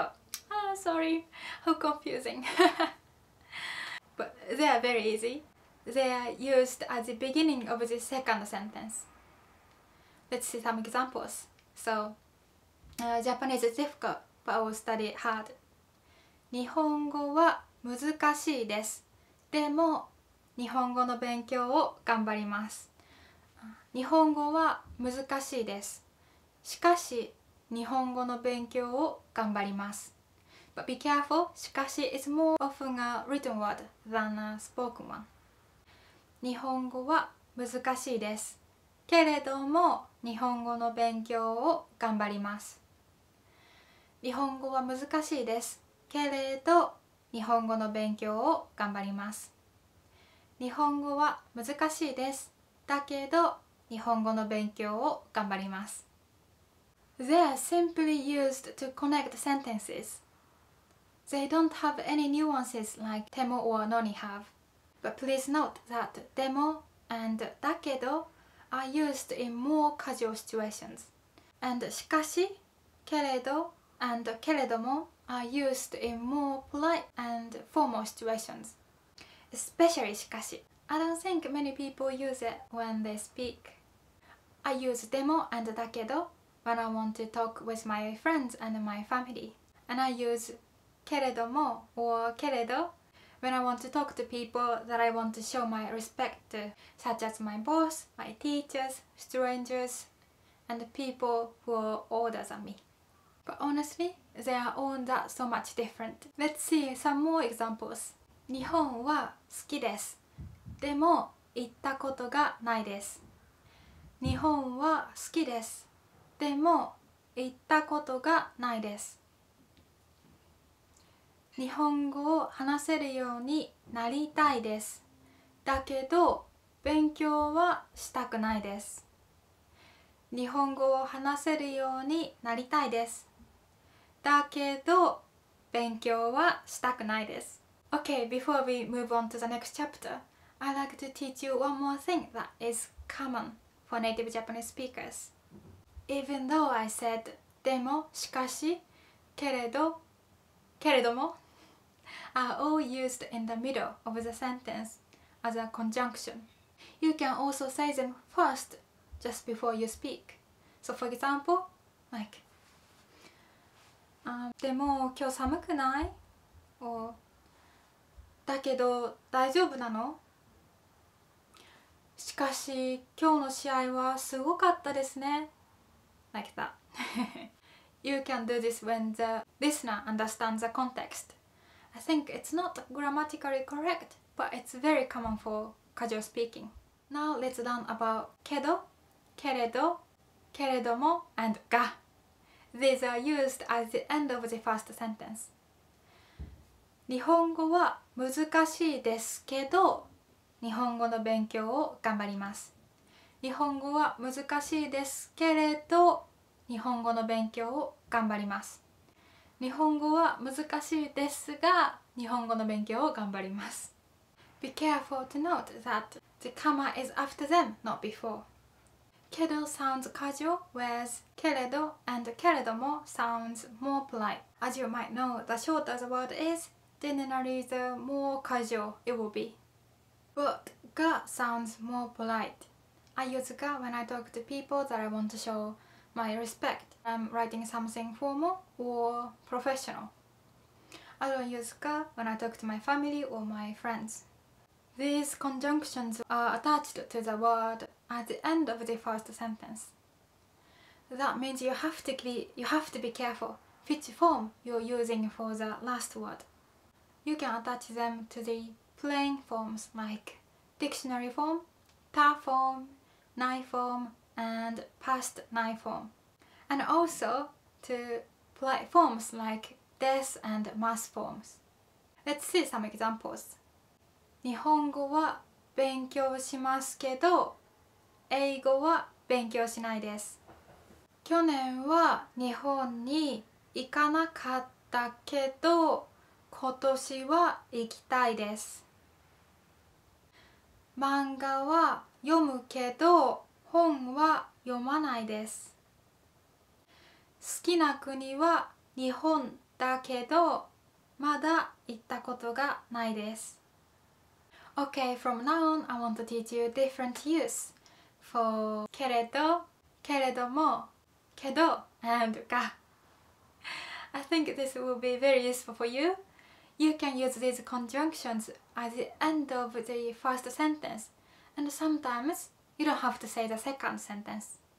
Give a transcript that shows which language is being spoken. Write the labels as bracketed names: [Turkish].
[English] Ah, sorry, how confusing. But they are very easy. They are used at the beginning of the second sentence. Let's see some examples. So,Japanese is difficult, but I will study hard. [Japanese] 日本語は難しいです。でも、日本語の勉強を頑張ります。日本語は難しいです。しかし、日本語の勉強を頑張ります。 [English] But be careful, しかし is more often a written word than a spoken one. [Japanese] 日本語は難しいです。けれども、日本語の勉強を頑張ります。日本語は難しいですけれど、日本語の勉強を頑張ります。日本語は難しいですだけど、日本語の勉強を頑張ります。 [English] They are simply used to connect sentences. They don't have any nuances like demo or noni have. But please note that demo and だけど are used in more casual situations. And しかし、けれど and けれども are used in more polite and formal situations. Especially しかし。 I don't think many people use it when they speak. I use demo and だけど when I want to talk with my friends and my family. And I use けれども or けれど when I want to talk to people that I want to show my respect to, such as my boss, my teachers, strangers, and people who are older than me. But honestly, they are all that so much different. Let's see some more examples. [Japanese] 日本は好きです。でも行ったことがないです。日本は好きです。でも行ったことがないです。日本語を話せるようになりたいです。だけど勉強はしたくないです。日本語を話せるようになりたいです。だけど勉強はしたくないです。 [English] Okay, before we move on to the next chapter, I'd like to teach you one more thing that is common. For native Japanese speakers. Even though I said でも、しかし、けれど、けれども are all used in the middle of the sentence as a conjunction. You can also say them first just before you speak. So for example, like、 [Japanese] でも今日寒くない? Or だけど大丈夫なの? しかし、今日の試合はすごかったですね。 [English] Like that. You can do this when the listener understands the context. I think it's not grammatically correct, but it's very common for casual speaking. Now let's learn about けど、けれど、けれども、and が。 These are used at the end of the first sentence. [Japanese] 日本語は難しいですけど、日本語の勉強を頑張ります。日本語は難しいですけれど、日本語の勉強を頑張ります。日本語は難しいですが、日本語の勉強を頑張ります。 [English] Be careful to note that the comma is after them, not before. けど sounds casual, whereas けれど and けれども sounds more polite. As you might know, the shorter the word is, generally the more casual it will be. But が sounds more polite. I use が when I talk to people that I want to show my respect. I'm writing something formal or professional. I don't use が when I talk to my family or my friends. These conjunctions are attached to the word at the end of the first sentence. That means you have to be careful which form you're using for the last word. You can attach them to theplain forms like dictionary form, ta form, nai form, and past nai form. And also to polite forms like des and mas forms. Let's see some examples. [Japanese] 日本語は勉強しますけど、英語は勉強しないです。去年は日本に行かなかったけど、今年は行きたいです。漫画は読むけど、本は読まないです。好きな国は日本だけど、まだ行ったことがないです。 [English] Okay, from now on, I want to teach you different use for けれど、けれども、けど、and が。 I think this will be very useful for you. You can use these conjunctions at the end of the first sentence, and sometimes you don't have to say the second sentence.